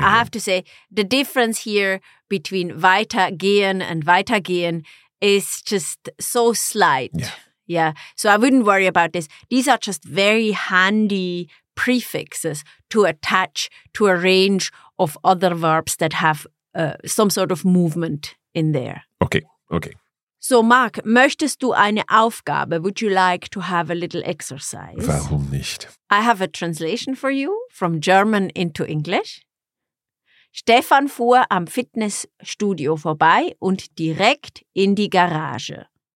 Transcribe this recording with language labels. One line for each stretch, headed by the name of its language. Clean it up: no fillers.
English: again. I have to say, the difference here between weitergehen and weitergehen is just so slight. Yeah. Yeah, so I wouldn't worry about this. These are just very handy prefixes to attach to a range of other verbs that have some sort of movement in there. Okay, okay.
German: So, Mark, möchtest du eine Aufgabe?
English: Would you like to have a little exercise?
German: Warum nicht?
English: I have a translation for you from German into English.
German: Stefan fuhr am Fitnessstudio vorbei und direkt in die Garage.